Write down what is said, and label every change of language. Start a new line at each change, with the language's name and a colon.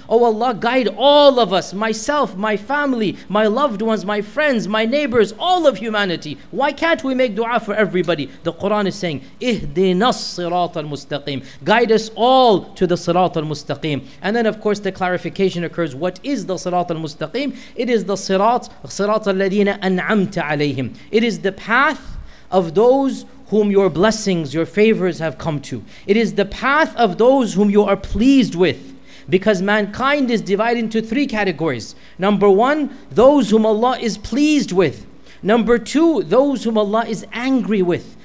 English: Oh Allah, guide all of us, myself, my family, my loved ones, my friends, my neighbors, all of humanity. Why can't we make dua for everybody? The Quran is saying,
Arabic: اِهْدِنَا الصِّرَاطَ الْمُسْتَقِيمِ.
English: Guide us all to the صِرَاطَ الْمُسْتَقِيمِ. And then of course the clarification occurs, what is the صِرَاطَ الْمُسْتَقِيمِ? It is the
Arabic: صِرَاطَ الَّذِينَ أَنْعَمْتَ عَلَيْهِمْ.
English: It is the path of those whom your blessings, your favors have come to. It is the path of those whom you are pleased with. Because mankind is divided into three categories. Number one, those whom Allah is pleased with. Number two, those whom Allah is angry with.